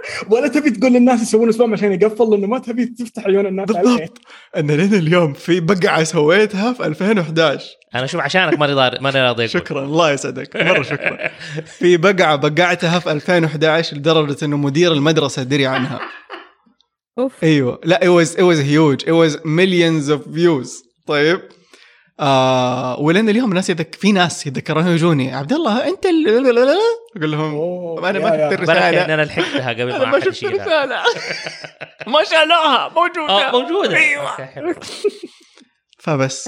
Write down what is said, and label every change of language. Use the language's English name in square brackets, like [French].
[Arabic] ولا تبي تقول للناس يسوون سبام عشان يقفل، لانه ما تبي تفتح عيون الناس بالضبط. انا لين اليوم في بقعه سويتها في 2011. انا شوف عشانك ماني راضي. شكرا الله يسعدك مره شكرا. في بقعه بقعتها في 2011 لدرجه انه مدير المدرسه دري عنها. اوف. ايوه لا [English] it was huge. It was millions of views. [Arabic] طيب ولين اليوم الناس في ناس يذكرون يجوني عبد الله انت اقول لهم انا ما شفت الرساله. انا لحقتها قبل ما احد يشيلها. ما شالوها موجوده. ايوه فبس